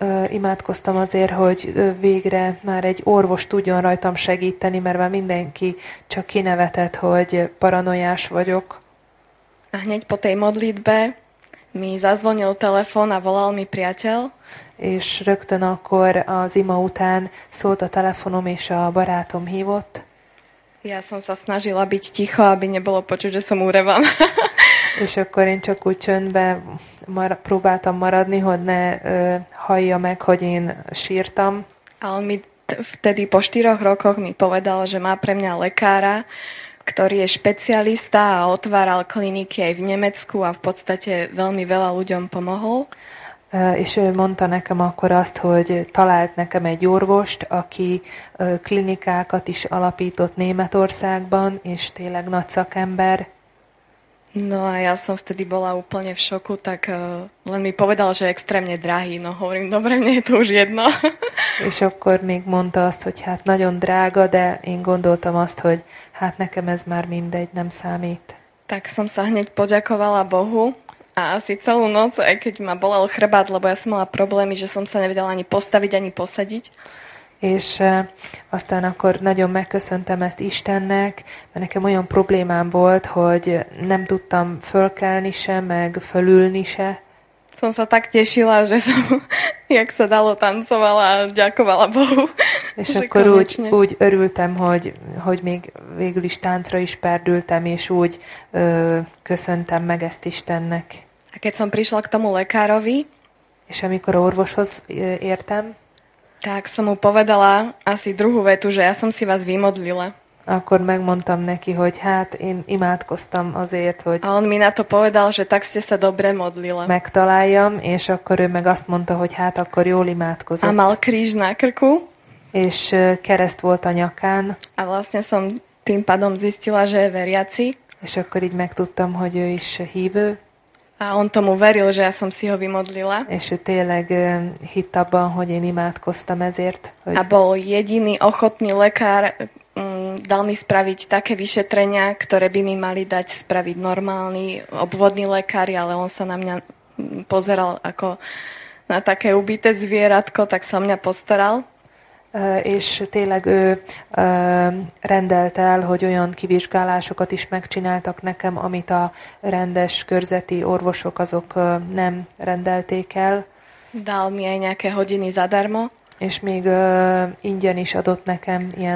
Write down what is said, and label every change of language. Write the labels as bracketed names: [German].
[Hungarian] Imádkoztam azért, hogy végre már egy orvos tudjon rajtam segíteni, mert már mindenki csak kinevetett, hogy paranoiás vagyok. [Slovak] A hneď po tej modlitbe mi zazvonil telefon a volal mi priateľ. [Hungarian] És rögtön akkor az ima után szólt a telefonom, és a barátom hívott. [Slovak] Ja som sa snažila byť ticho, aby nebolo počuť, že som úrevam. [Hungarian] És akkor én csak úgy csöndbe próbáltam maradni, hogy ne hallja meg, hogy én sírtam. [Slovak] A on mi vtedy po 4 rokoch mi povedal, že má pre mňa lekára, ktorý je špecialista a otváral kliniky aj v Nemecku a v podstate veľmi veľa ľuďom pomohol. [Hungarian] És ő mondta nekem akkor azt, hogy talált nekem egy orvost, aki klinikákat is alapított Németországban, és tényleg nagy szakember. [Slovak] No a ja som vtedy bola úplne v šoku, tak len mi povedal, že je extrémne drahý. No hovorím, dobre, mne je to už jedno. [Hungarian] És akkor még mondta azt, hogy hát nagyon drága, de én gondoltam azt, hogy hát nekem ez már mindegy, nem számít. [Slovak] Tak som sa hneď poďakovala Bohu. A asi celú noc, aj keď ma bolel chrbát, lebo ja som mala problémy, že som sa nevedela ani postaviť, ani posadiť. [Hungarian] És aztán akkor nagyon megköszöntem ezt Istennek, mert nekem olyan problémám volt, hogy nem tudtam fölkelni se, meg fölülni se. [Slovak] Som sa tak tešila, že som, jak sa dalo, tancovala a ďakovala Bohu. [Hungarian] És akkor úgy örültem, hogy még végül is táncra is perdültem, és úgy köszöntem meg ezt Istennek. [Slovak] A keď som prišla k tomu lekárovi, [Hungarian] és amikor orvoshoz értem, [Slovak] tak som mu povedala asi druhú vetu, že ja som si vás vymodlila. [Hungarian] Akkor megmondtam neki, hogy hát én imádkoztam azért, hogy... [Slovak] A on mi na to povedal, že tak ste sa dobre modlila. [Hungarian] Megtaláljam, és akkor ő meg azt mondta, hogy hát akkor jól imádkozott. [Slovak] A mal kríž na krku. [Hungarian] És kereszt volt a nyakán. [Slovak] A vlastne som tým pádom zistila, že je veriaci. [Hungarian] És akkor így megtudtam, hogy ő is hívő. [Slovak] A on tomu veril, že ja som si ho vymodlila. [Hungarian] És tényleg hitt abban, hogy én imádkoztam ezért. Hogy... [Slovak] A bol jediný ochotný lekár, dal mi spraviť také vyšetrenia, ktoré by mi mali dať spraviť normálny obvodný lekár, ale on sa na mňa pozeral ako na také ubité zvieratko, tak sa o mňa postaral. [Hungarian] És tényleg ő rendelt el, hogy olyan kivizsgálásokat is megcsináltak nekem, amit a rendes körzeti orvosok azok nem rendelték el. [Slovak] Dal mi aj nejaké hodiny zadarmo. [Hungarian] És még ingyen is adott nekem ilyen